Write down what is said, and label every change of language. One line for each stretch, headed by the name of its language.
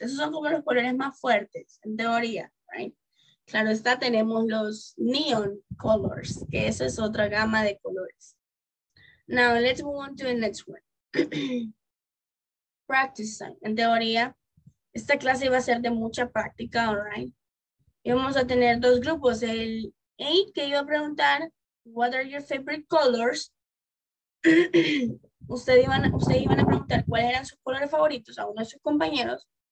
Spanish: Esos son como los colores más fuertes, en teoría, right? Claro está, tenemos los neon colors, que esa es otra gama de colores.
English: Now, let's move on to the next one. Practice time.
Spanish: En teoría, esta clase va a ser de mucha práctica, all right? Y vamos a tener dos grupos. El A, que iba a preguntar,
English: what are your favorite colors?
Spanish: Ustedes iban a preguntar cuáles eran sus colores favoritos a uno de sus compañeros.